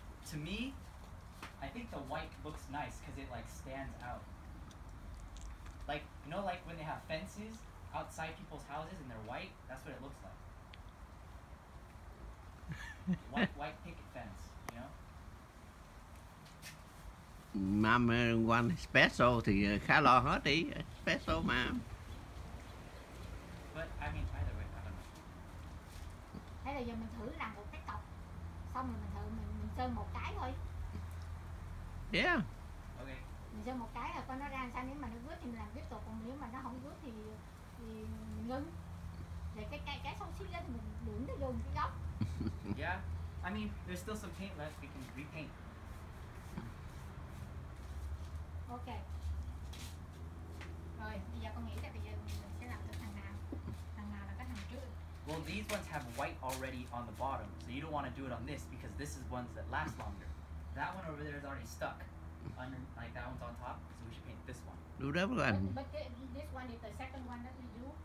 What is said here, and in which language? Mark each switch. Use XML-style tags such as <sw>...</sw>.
<en>To me, I think the white looks nice because it like stands out. Like, you know, like when they have fences outside people's houses and they're white, that's what it looks like. white picket fence, you know? Mom one special</en> <vi>thì khá lo hết đi.</vi> <en>Special, mom. But I mean, either way, I don't know.</en> <vi>Thế là giờ mình thử làm một cái cọc. Xong rồi mình thử mình sơn một cái thôi.</vi> <en>Yeah. Okay.</en> <vi>Mình cho một cái là coi nó ra sao, nếu mà nó vứt thì mình làm tiếp tục, còn nếu mà nó không vứt thì mình ngưng. Để cái xong xíu đó thì mình đựng nó vô một cái góc.</vi> <en>Yeah. I mean, there's still some paint left, we can repaint. Okay.</en> <vi>Rồi, bây giờ con nghĩ là bây giờ mình sẽ làm cho thằng nào là cái thằng trước.</vi> <en>Well, these ones have white already on the bottom, so you don't want to do it on this because this is ones that last longer. That one over there is already stuck. Under, like that one's on top, so we should paint this one. Do that one. But this one is the second one that we do.</en>